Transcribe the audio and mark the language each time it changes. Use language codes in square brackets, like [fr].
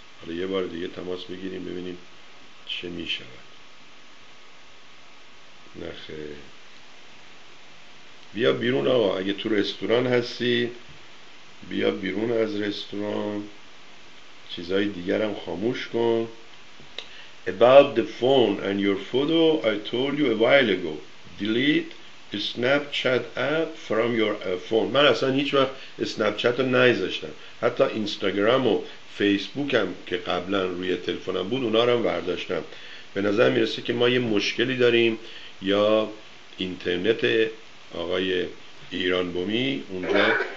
[fa] حالا یه بار دیگه تماس بگیریم ببینیم چه میشود. نخه بیا بیرون آقا، اگه تو رستوران هستی بیا بیرون از رستوران، چیزای دیگرم خاموش کن. [en] About the phone and your photo I told you a while ago, delete Snapchat app from your phone. [fa] من اصلا هیچ وقت Snapchat رو نیذاشتم، حتی اینستاگرام و فیسبوک هم که قبلا روی تلفنم بود اونا رو هم برداشتم. به نظر میرسه که ما یه مشکلی داریم یا اینترنت آقای ایران بومی اونجا.